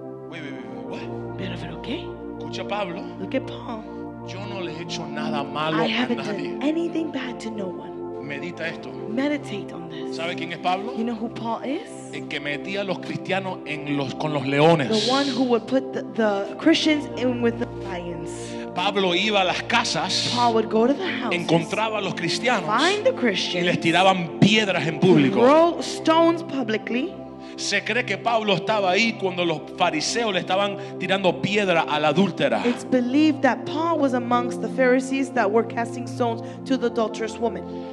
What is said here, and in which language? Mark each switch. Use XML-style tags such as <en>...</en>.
<en>Wait.</en> <es>Pero, okay. Escucha Pablo.</es> <en>Look at Paul.</en> <es>Yo no le he hecho nada malo a nadie.</es> <en>I haven't done anything bad to no one.</en> <es>Medita esto.</es> <en>Meditate on this.</en> <es>¿Sabe quién es Pablo?</es> <en>You know who Paul is?</en> <es>El que metía a los cristianos en los con los leones.</es> <en>The one who would put the Christians in with the lions.</en> <es>Pablo iba a las casas.</es> <en>Paul would go to the houses.</en> <es>Encontraba a los cristianos.</es> <en>Find the Christians.</en> <es>Y les tiraban piedras en público.</es> <en>Throw stones publicly.</en> <es>Se cree que Pablo estaba ahí cuando los fariseos le estaban tirando piedra a la adúltera.</es> <en>It's believed that Paul was amongst the Pharisees that were casting stones to the adulterous woman.</en>